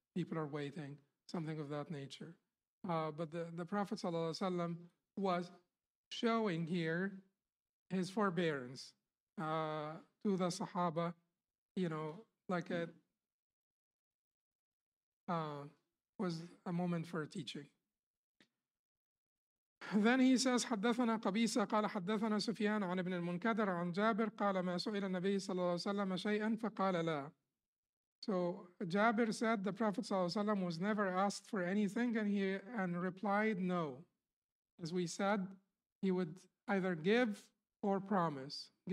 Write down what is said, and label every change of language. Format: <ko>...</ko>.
<en>People are waiting, something of that nature. But the Prophet ﷺ was showing here his forbearance to the Sahaba, you know, like it was a moment for teaching. Then he says,</en> <ar>حدثنا قبيسة قال حدثنا سفيان عن ابن المنكدر عن جابر قال ما سئل النبي صلى الله عليه وسلم شيئا فقال لا.</ar> <en>So Jabir said the Prophet صلى الله عليه وسلم was never asked for anything and he replied no. As we said, he would either give or promise.</en>